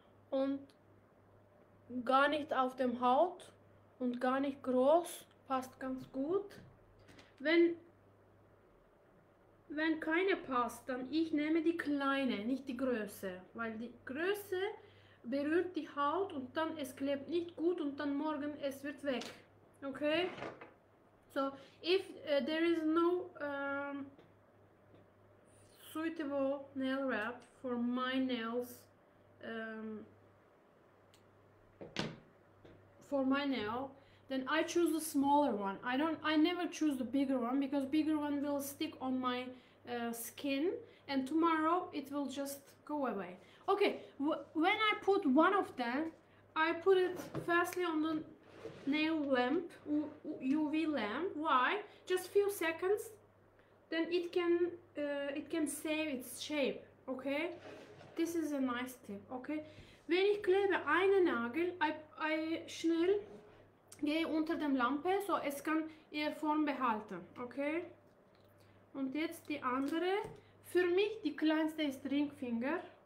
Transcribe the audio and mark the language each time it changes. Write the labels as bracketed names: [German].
[German] Und gar nicht auf dem Haut und gar nicht groß. Passt ganz gut. Wenn keine passt, dann ich nehme die kleine, nicht die Größe. Weil die Größe berührt die Haut und dann es klebt nicht gut und dann morgen es wird weg. [English] Okay? So, if there is no suitable nail wrap for my nails, for my nail, then I choose the smaller one. I never choose the bigger one because bigger one will stick on my skin and tomorrow it will just go away. Okay, when I put one of them, I put it firstly on the nail lamp, UV lamp. Why? Just few seconds, then it can save its shape. Okay, this is a nice tip. [German] Okay, wenn ich klebe einen Nagel, I schnell gehe unter dem Lampe, so es kann ihr Form behalten, okay? Und jetzt die andere. Für mich die kleinste ist Ringfinger.